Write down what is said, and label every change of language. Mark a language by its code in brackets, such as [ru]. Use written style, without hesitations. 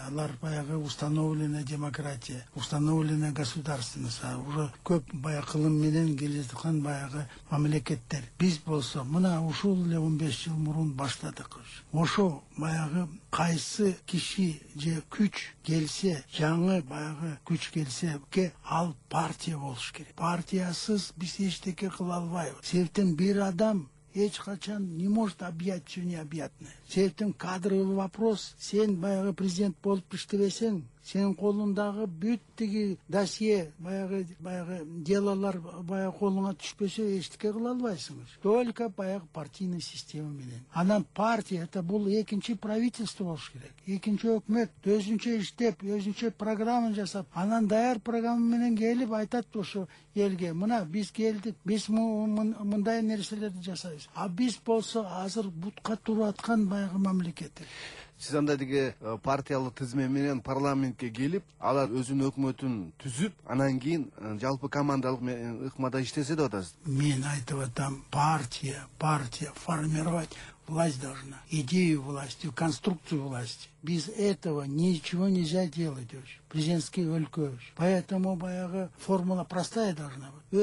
[ky] Алар баягы [ru] установленная демократия, установленная государственность, а уже [ky] көп баягы кылым менен келе жаткан баягы мамлекеттер. Биз болсо мына ушул эле 15 жыл мурун баштадык. Ошо баягы кайсы киши же күч келсе, жаңы баягы күч келсе, ал партия болуш керек. Партиясыз биз эчтеке кыла албайбыз. Себептен бир адам эч качан [ru] не может объять все необъятное. Себептен кадровый вопрос. [ky] Сен баягы президент болуп иштебесең, сенин колуңдагы бүт тиги досье, баягы делолор баягы колуңа түшпөсө эчтеке кыла албайсың. [ru] Только баягы партийный система менен. [ky] Анан партия это бул экинчи правительство болуш керек. Экинчи өкмөт өзүнчө иштеп, өзүнчө программа жасап, анан даяр программа менен келип айтат ошо элге: мына биз келдик, биз мындай нерселерди жасайбыз. А биз болсо азыр бутка туруп аткан баягы мамлекет. Сиз анда тиги партиялык тизмем менен парламентке келип, алар өзүнүн өкмөтүн түзүп, анан кийин жалпы командалык ыкмада иштесе деп атасыз. Мен айтып атам, [ru] партия формировать власть должна, идею власти, конструкцию власти. Без этого ничего нельзя делать. Президентский өлкөш. Поэтому баягы формула простая должна быть.